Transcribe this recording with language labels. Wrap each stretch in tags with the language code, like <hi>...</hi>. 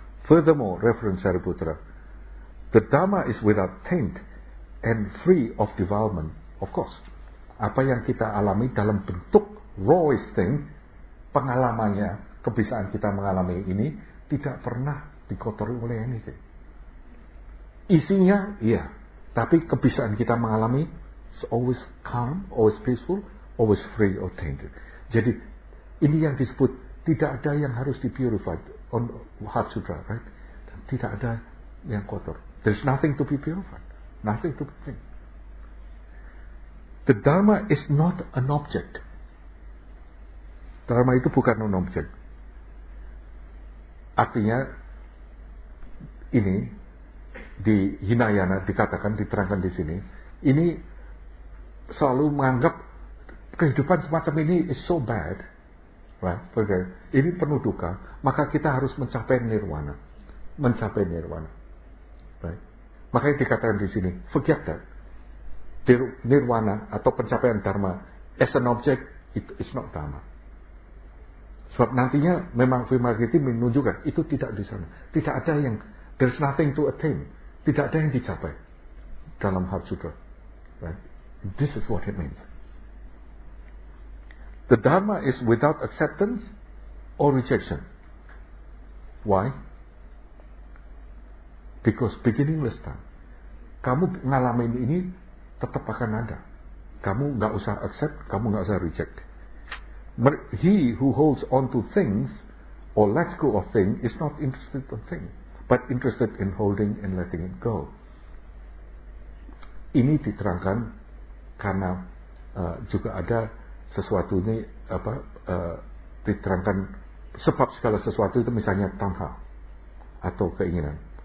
<en>Furthermore, reference Sariputra, the dharma is without taint and free of defilement, of course.</en> <id>Apa yang kita alami dalam bentuk</id> <en>rawest thing,</en> <id>pengalamannya, kebiasaan kita mengalami ini, tidak pernah dikotori oleh</id> <en>anything.</en> <id>Isinya, iya. Tapi kebiasaan kita mengalami,</id> <en>it's always calm, always peaceful, always free of tainted.</en> <id>Jadi, ini yang disebut, tidak ada yang harus dipurified</id> <en>on Heart Sutra, right?</en> <id>Dan tidak ada yang kotor.</id> <en>There's nothing to be purified. Nothing to be clean. The Dharma is not an object.</en> <id>Dharma itu bukan</id> <en>an object.</en> <id>Artinya, ini, di Hinayana dikatakan, diterangkan di sini, ini selalu menganggap kehidupan semacam ini</id> <en>is so bad, right?</en> <id>Ini penuh duka, maka kita harus mencapai nirwana. Mencapai nirwana. Right? Makanya dikatakan di sini,</id> <en>forget that.</en> <id>Nirwana atau pencapaian dharma</id> <en>as an object, it is not dharma.</en> <id>Sebab nantinya memang Vimalakirti menunjukkan itu tidak di sana. Tidak ada yang,</id> <en>there's nothing to attain.</en> <id>Tidak ada yang dicapai dalam Heart Sutra.</id> <en>Right? This is what it means. The dharma is without acceptance or rejection. Why? Because beginningless time.</en> <id>Kamu ngalamin ini tetap akan ada. Kamu enggak usah accept, kamu enggak usah reject.</id> <en>He who holds on to things or lets go of thing is not interested in thing, but interested in holding and letting it go.</en> <id>Ini diterangkan karena juga ada sesuatu ini apa diterangkan sebab segala sesuatu itu misalnya tanha atau keinginan.</id>